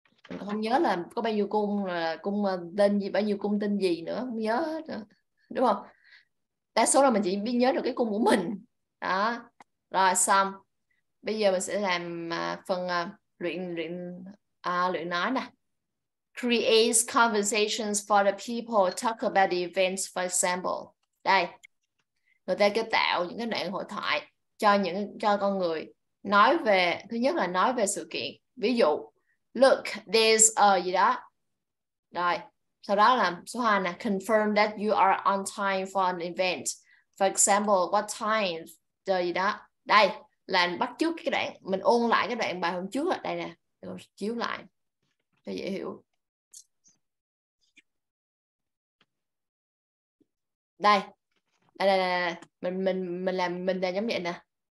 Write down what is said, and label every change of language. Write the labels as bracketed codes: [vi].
[vi] Mình không nhớ là có bao nhiêu cung, là cung tên gì, bao nhiêu cung tên gì nữa, không nhớ hết nữa. Đúng không? Đa số là mình chỉ biết nhớ được cái cung của mình. Đó. Rồi xong. Bây giờ mình sẽ làm phần luyện nói nè. [en] Creates conversations for the people, talk about the events for example. [vi] Đây. Người ta cứ tạo những cái đoạn hội thoại cho những cho con người nói về, thứ nhất là nói về sự kiện. Ví dụ [en] look, there's a [vi] gì đó. Rồi, sau đó là số 2 nè. [en] Confirm that you are on time for an event. For example, what time? [vi] Rồi gì đó. Đây, là bắt chước cái đoạn. Mình ôn lại cái đoạn bài hôm trước. Đây nè, chiếu lại. Cho dễ hiểu. Đây. Đây. Mình làm giống vậy nè.